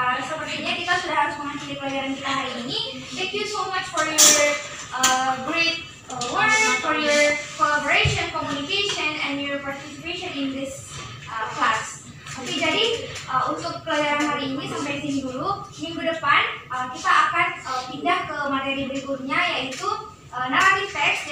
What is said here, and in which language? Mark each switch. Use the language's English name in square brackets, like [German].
[Indonesian] Sepertinya kita sudah harus mengakhiri pelajaran kita hari ini. [English] Thank you so much for your great work, for your collaboration, communication, and your participation in this class. [Indonesian] Oke, jadi untuk pelajaran hari ini sampai sini dulu. Minggu depan kita akan pindah ke materi berikutnya, yaitu narrative text.